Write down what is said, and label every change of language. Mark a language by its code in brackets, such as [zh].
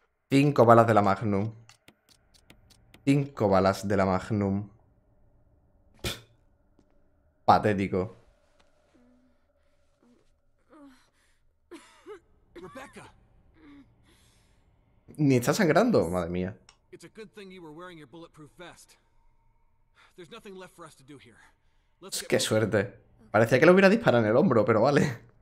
[es] Cinco balas de la Magnum. 5 balas de la Magnum. Patético. Rebecca. Ni está sangrando, madre mía. [en] It's a good thing you were wearing your bulletproof vest. There's nothing left for us to do here. Let's get [es] Qué [en] moving. [es] suerte. Parecía que lo hubiera disparado en el hombro, pero vale.